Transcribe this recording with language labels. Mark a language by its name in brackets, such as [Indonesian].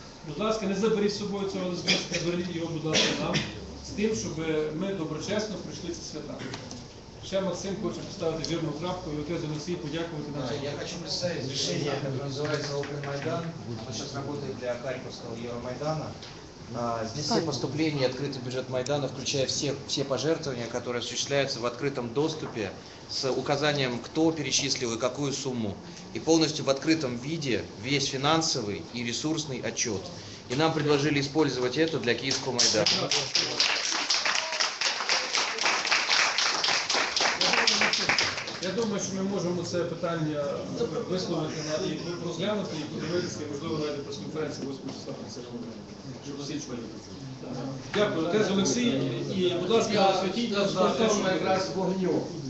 [Ukrainian] Будь ласка, не заберіть з собою цього листочка, зверніть його, будь ласка, нам. З тим, щоб ми доброчесно прийшли ці свята. Ще Максим хоче поставити вірну крапку і отець Олексій подякувати нам. Я хочу представити рішення, яке називається «Open Майдан». Ми зараз працюємо для Харківського Євромайдана. [Russian] Здесь все поступления, открытый бюджет Майдана, включая все пожертвования, которые осуществляются в открытом доступе, с указанием, кто перечислил и какую сумму. И полностью в открытом виде весь финансовый и ресурсный отчет. И нам предложили использовать это для Киевского Майдана. [Ukrainian] Я думаю, що ми можемо це питання висловити і розглянути, і подивитися, можливо, навіть прес-конференції 8 числа про це говорити. Дякую, отець Олексій, і, будь ласка, освітіть нас за те, що якраз вогню.